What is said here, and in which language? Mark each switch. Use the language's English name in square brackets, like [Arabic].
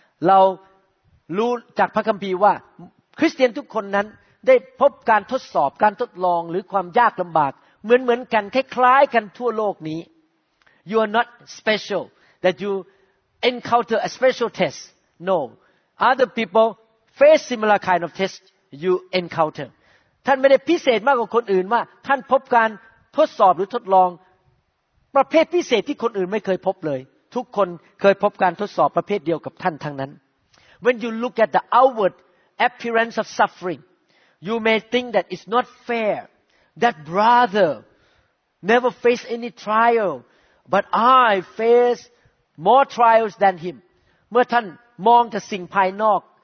[Thai] เรารู้จากพระคัมภีร์ว่าคริสเตียนทุกคนนั้นได้พบการทดสอบการทดลองหรือความยากลำบากเหมือนกันคล้ายๆกันทั่วโลกนี้ [English] You are not special that you encounter a special test. No. Other people face similar kind of tests you encounter. [Thai] ท่านไม่ได้พิเศษมากกว่าคนอื่นว่าท่านพบการทดสอบหรือทดลองประเภทพิเศษที่คนอื่นไม่เคยพบเลยทุกคนเคยพบการทดสอบประเภทเดียวกับท่านทั้งนั้น [English] When you look at the outward appearance of suffering you may think that it's not fair that brother never faced any trial but I face more trials than him [Thai] เมื่อท่านมองแต่สิ่งภายนอก